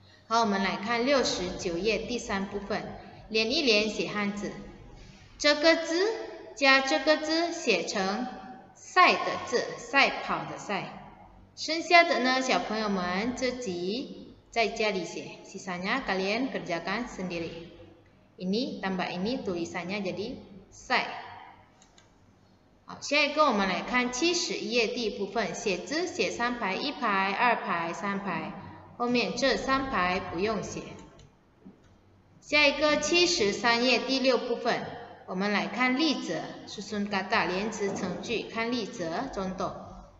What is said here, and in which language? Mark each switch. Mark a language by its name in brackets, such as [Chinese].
[Chinese] 好，我们来看69页第三部分，连一连写汉字，这个字加这个字写成赛的字，赛跑的赛。剩下的呢，小朋友们自己在家里写。 [Indonesian] Sisanya kalian kerjakan sendiri. Ini tambah ini tulisannya jadi sai. [Chinese] 好，下一个我们来看71页第一部分，写字写三排，一排、二排、三排，后面这三排不用写。下一个73页第六部分，我们来看例子 ， [Indonesian] susun kata [Chinese] 连词成句，看例子 contoh。